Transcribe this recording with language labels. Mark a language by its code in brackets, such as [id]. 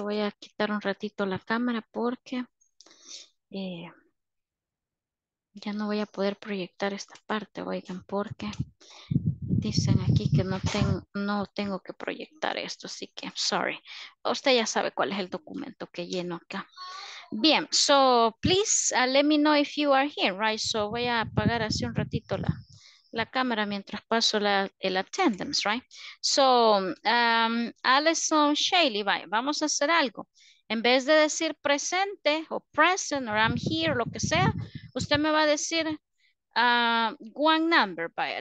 [es] Voy a quitar un ratito la cámara porque... ya no voy a poder proyectar esta parte, oigan, porque dicen aquí que no tengo que proyectar esto, así que, sorry. Usted ya sabe cuál es el documento que lleno acá. [en] Bien, so please let me know if you are here, right? [es] So voy a apagar así un ratito la cámara mientras paso el attendance, right? [en] So, Alison Shaley, bye. [es] Vamos a hacer algo. En vez de decir presente o [en] present or I'm here, [es] lo que sea, usted me va a decir [en] one number, bye.